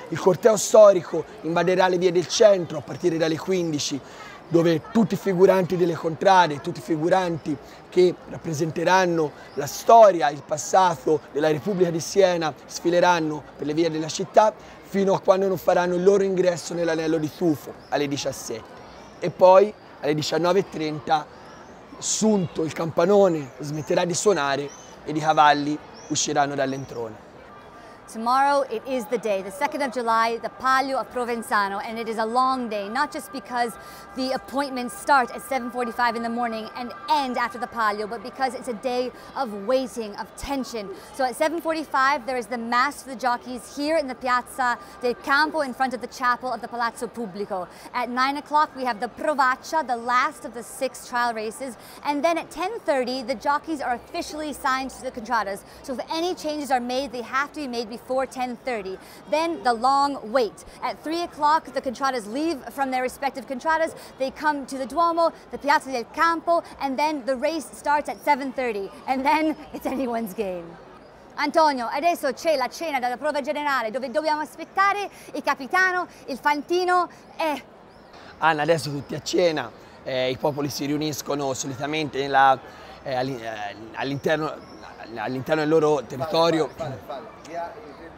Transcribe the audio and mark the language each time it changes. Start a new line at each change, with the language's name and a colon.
Italian: Il corteo storico invaderà le vie del centro a partire dalle 15, dove tutti i figuranti delle contrade, tutti i figuranti che rappresenteranno la storia, il passato della Repubblica di Siena, sfileranno per le vie della città fino a quando non faranno il loro ingresso nell'Anello di Tufo, alle 17. E poi alle 19:30, sunto il campanone, smetterà di suonare e i cavalli usciranno dall'entrone.
English: Tomorrow it is the day, the 2nd of July, the Palio of Provenzano, and it is a long day, not just because the appointments start at 7:45 in the morning and end after the Palio, but because it's a day of waiting, of tension. So at 7:45 there is the mass for the jockeys here in the Piazza del Campo in front of the chapel of the Palazzo Pubblico. At 9 o'clock we have the Provaccia, the last of the 6 trial races, and then at 10:30 the jockeys are officially signed to the contradas. So if any changes are made, they have to be made before 10:30. Then the long wait. At 3 o'clock, the contradas leave from their respective contradas. They come to the Duomo, the Piazza del Campo, and then the race starts at 7:30. And then it's anyone's game.
Italian: Antonio, adesso c'è la cena della prova generale dove dobbiamo aspettare il capitano, il Fantino e... Anna, adesso tutti a cena, i popoli si riuniscono solitamente nella, all'interno del loro territorio.